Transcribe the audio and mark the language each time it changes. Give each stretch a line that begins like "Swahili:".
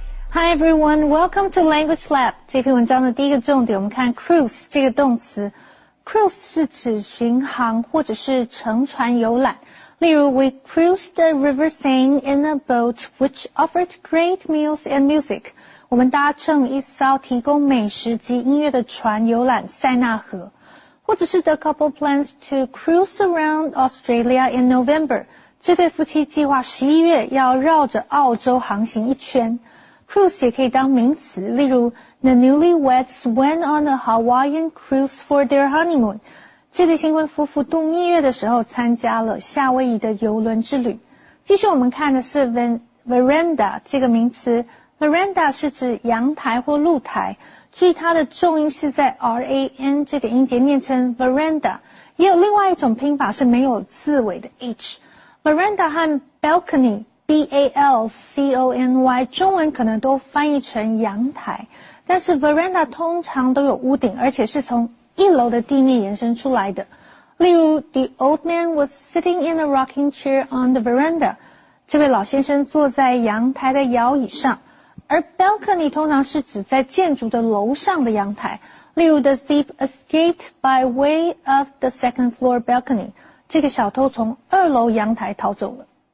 English: Hi everyone, welcome to Language Lab.
Chinese: 这篇文章的第一个重点，我们看 cruise 这个动词。 Cruise 是指巡航或者是乘船游览。例如
English: ,we cruised the River Seine in a boat which offered great meals and music.
Chinese: 我们搭乘一艘提供美食及音乐的船游览塞纳河。或者是
English: the couple plans to cruise around Australia in November.
Chinese: 这对夫妻计划11月要绕着澳洲航行一圈。
English: Cruise
Chinese: 也可以当名词，例如
English: The newlyweds went on a Hawaiian cruise for their honeymoon.
Chinese: 这对新婚夫妇度蜜月的时候参加了夏威夷的游轮之旅。继续我们看的是 veranda 这个名词。 Veranda 是指阳台或露台，注意它的重音是在 R-A-N 这个音节，念成 veranda。也有另外一种拼法是没有字尾的 H。 Veranda 和 balcony。B-A-L-C-O-N-Y 中文可能都翻译成阳台，但是 veranda 通常都有屋顶，而且是从一楼的地面延伸出来的。例如
English: The old man was sitting in a rocking chair on the veranda.
Chinese: 这位老先生坐在阳台的摇椅上。而 balcony 通常是指在建筑的楼上的阳台，例如
English: The thief escaped by way of the second floor balcony.
Chinese: 这个小偷从二楼阳台逃走了。